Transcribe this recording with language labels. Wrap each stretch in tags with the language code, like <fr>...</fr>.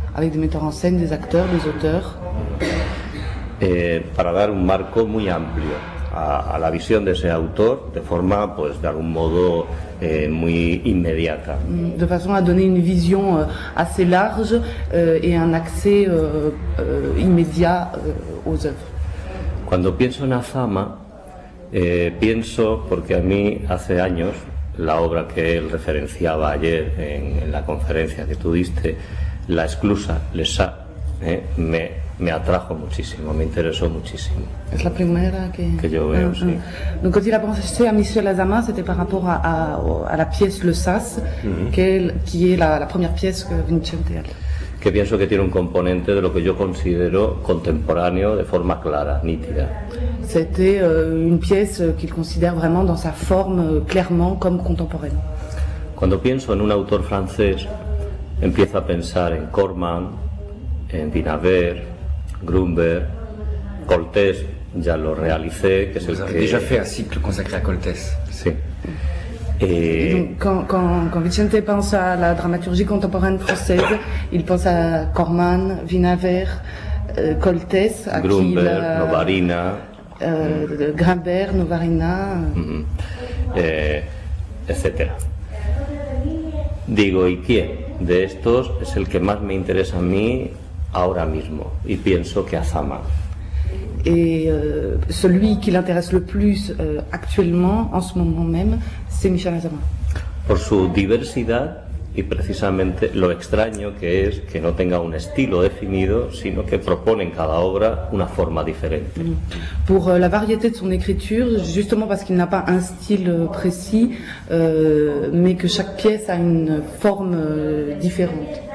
<fr>Avec des metteurs en scène, des acteurs, des auteurs.</fr> <es>Para dar un marco muy amplio a la visión de ese autor de forma, pues, de algún modo muy inmediata.</es> <fr>De façon à donner une vision assez large et un accès immédiat aux œuvres.</fr> <es>Cuando pienso en Azama, pienso, porque a mí hace años, la obra que él referenciaba ayer en la conferencia que tú diste, La Esclusa, Lesa, me atrajo muchísimo, me interesó muchísimo. Es la primera que yo veo, sí.</es> <fr>Donc, quand il a pensé a Michel Azama, c'était par rapport a la pièce Le Sas, qui est la première pièce que Vincente</fr> <es>a leído. Que pienso que tiene un componente de lo que yo considero contemporáneo de forma clara, nítida.</es> <fr>C'était une pièce qu'il considère vraiment dans sa forme, clairement, comme contemporaine.</fr> <es>Cuando pienso en un autor francés, empiezo a pensar en Corman, en Dinaver, Grunberg, Coltès, ya lo realicé, que es el que...</es> <fr>Déjà fait un cycle consacré à Coltès.</fr> <es>Sí.</es> <fr>Et donc, quand Vicente pense à la dramaturgie contemporaine française, il pense à Corman, Vinaver, Coltès, à Grunberg, qui Novarina. Grimbert, Novarina. Mm-hmm. Etc.</fr> <es>Digo, ¿y quién de estos es el que más me interesa a mí ahora mismo? Y pienso que Azama.</es> <fr>Et celui qui l'intéresse le plus actuellement, en ce moment même, c'est Michel Azama.</fr> <es>Por su diversidad y precisamente lo extraño que es que no tenga un estilo definido, sino que propone en cada obra una forma diferente. Mm.</es> <fr>Pour la variété de son écriture, justement parce qu'il n'a pas un style précis, mais que chaque pièce a une forme différente.</fr>